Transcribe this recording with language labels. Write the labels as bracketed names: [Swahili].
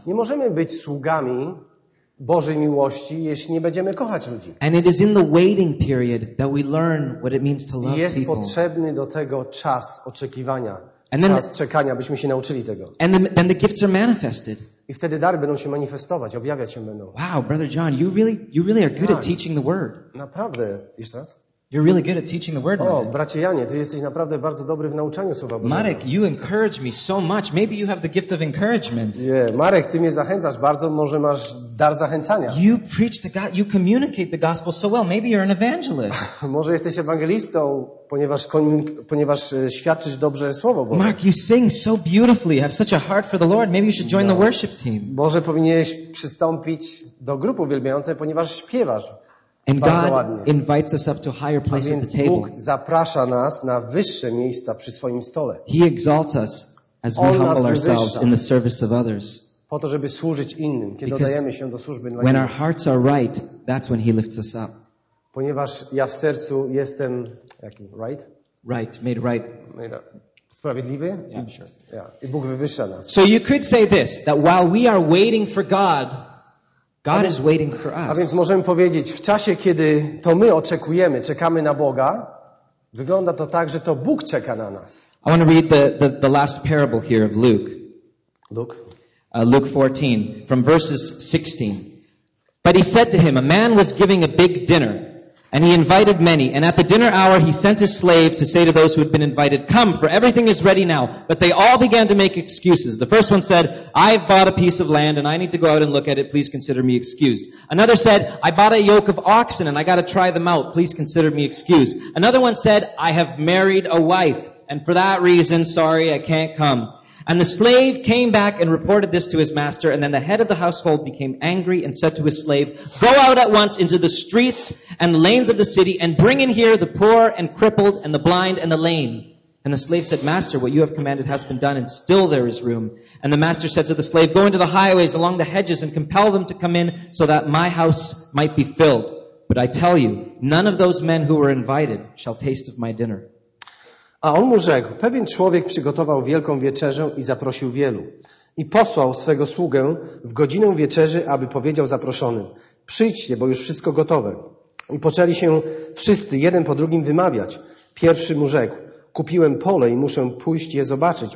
[Polish] Nie możemy być sługami Bożej miłości, jeśli nie będziemy kochać ludzi. [English] And it is in the waiting period that we learn what it means to love people. [Polish] Jest potrzebny do tego czas oczekiwania, czas czekania, byśmy się nauczyli tego. [English] And then the gifts are manifested. [Polish] I wtedy dary będą się manifestować, objawiać się będą. [English] Wow, brother John, you really are good at teaching the word. [Polish] Naprawdę, jeszcze raz? [English] You're really good at teaching the word. [Polish] O, bracie Janie, ty jesteś naprawdę bardzo dobry w nauczaniu słowa Bożego. [English] Marek, you encourage me so much. Maybe you have the gift of encouragement. [Polish] Yeah, Marek, ty mnie zachęcasz bardzo, może masz dar zachęcania. [English] You preach the you communicate the gospel so well. Maybe you're an evangelist. [Polish] Może jesteś ewangelistą, ponieważ świadczysz dobrze słowo Boże. [English] Mark, you sing so beautifully. You have such a heart for the Lord. Maybe you should join the worship team. [Polish] Może powinieneś przystąpić do grupy uwielbiającej, ponieważ śpiewasz. [English] And God invites us up to higher places at the table. [Polish] Bóg zaprasza nas na wyższe miejsca przy swoim stole. [English] He exalts us as we humble ourselves in the service of others. [Polish] po to, żeby służyć innym, kiedy oddajemy się do służby dla Niego. [English] Our hearts are right, that's when He lifts us up. [Polish] Ponieważ ja w sercu jestem jaki? [English] Right? Right, made right. [Polish] Sprawiedliwy? [English] Yeah, sure. [Polish] Yeah. I Bóg wywyższa nas. [English] So you could say this, that while we are waiting for God, God is waiting for us. [Polish] A więc możemy powiedzieć, w czasie, kiedy czekamy na Boga, wygląda to tak, że to Bóg czeka na nas. [English] I want to read the last parable here of Luke. Luke? Luke 14, from verses 16. But he said to him, a man was giving a big dinner, and he invited many. And at the dinner hour, he sent his slave to say to those who had been invited, come, for everything is ready now. But they all began to make excuses. The first one said, I've bought a piece of land, and I need to go out and look at it. Please consider me excused. Another said, I bought a yoke of oxen, and I got to try them out. Please consider me excused. Another one said, I have married a wife, and for that reason, sorry, I can't come. And the slave came back and reported this to his master, and then the head of the household became angry and said to his slave, go out at once into the streets and lanes of the city and bring in here the poor and crippled and the blind and the lame. And the slave said, master, what you have commanded has been done, and still there is room. And the master said to the slave, go into the highways along the hedges and compel them to come in so that my house might be filled. But I tell you, none of those men who were invited shall taste of my dinner. [Polish] A on mu rzekł, pewien człowiek przygotował wielką wieczerzę i zaprosił wielu. I posłał swego sługę w godzinę wieczerzy, aby powiedział zaproszonym, przyjdźcie, bo już wszystko gotowe. I poczęli się wszyscy jeden po drugim wymawiać. Pierwszy mu rzekł, kupiłem pole i muszę pójść je zobaczyć.